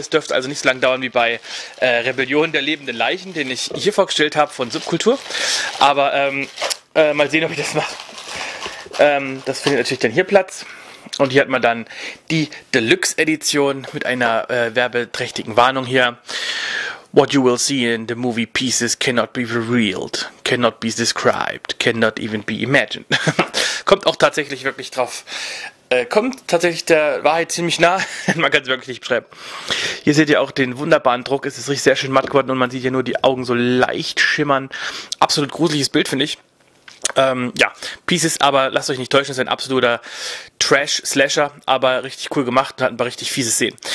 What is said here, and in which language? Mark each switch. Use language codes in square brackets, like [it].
[de] Es dürfte also nicht so lange dauern wie bei Rebellion der lebenden Leichen, den ich hier vorgestellt habe von Subkultur. Aber mal sehen, ob ich das mache. Das findet natürlich dann hier Platz. Und hier hat man dann die Deluxe-Edition mit einer werbeträchtigen Warnung hier. [en] What you will see in the movie Pieces cannot be revealed, cannot be described, cannot even be imagined. [de] Kommt auch tatsächlich wirklich drauf. Kommt tatsächlich der Wahrheit ziemlich nah. Man kann es wirklich nicht beschreiben. Hier seht ihr auch den wunderbaren Druck. Es ist richtig sehr schön matt geworden und man sieht hier nur die Augen so leicht schimmern. Absolut gruseliges Bild, finde ich. Ja, Pieces, aber lasst euch nicht täuschen, ist ein absoluter Trash-Slasher, aber richtig cool gemacht und hat ein paar richtig fiese Szenen.